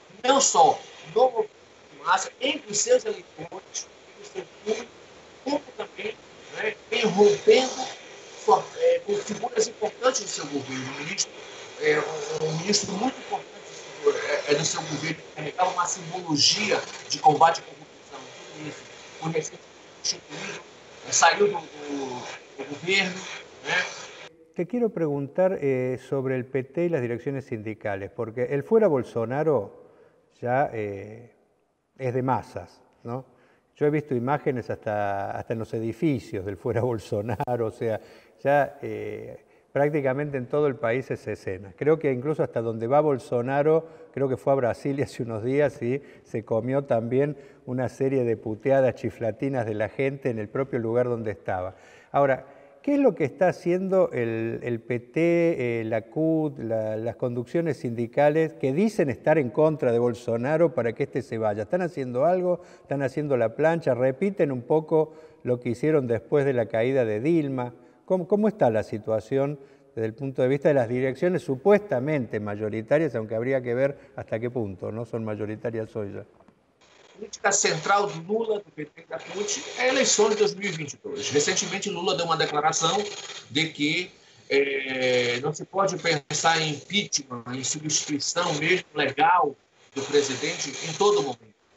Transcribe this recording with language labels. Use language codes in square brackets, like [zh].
[pt] Não só no movimento de massa, entre os seus eleitores, entre o seu público, como também vem rompendo com figuras importantes do seu governo. Um ministro muito importante do seu governo, que carregava uma simbologia de combate à corrupção. Tudo isso foi recentemente instituído, saiu do governo. [es] Te quiero preguntar sobre el PT y las direcciones sindicales, porque el fuera Bolsonaro ya es de masas, ¿no? Yo he visto imágenes hasta en los edificios del fuera Bolsonaro, o sea, ya prácticamente en todo el país es escena. Creo que incluso hasta donde va Bolsonaro, creo que fue a Brasilia hace unos días y se comió también una serie de puteadas chiflatinas de la gente en el propio lugar donde estaba. Ahora, ¿Qué es lo que está haciendo el PT, la CUT, las conducciones sindicales que dicen estar en contra de Bolsonaro para que éste se vaya? ¿Están haciendo algo? ¿Están haciendo la plancha? ¿Repiten un poco lo que hicieron después de la caída de Dilma? ¿Cómo está la situación desde el punto de vista de las direcciones supuestamente mayoritarias, aunque habría que ver hasta qué punto no son mayoritarias hoy ya? [pt] Política central de Lula, do PT e da CUT, é a eleição de 2022. Recentemente, Lula deu uma declaração de que não se pode pensar em impeachment, em substituição mesmo legal do presidente em todo momento.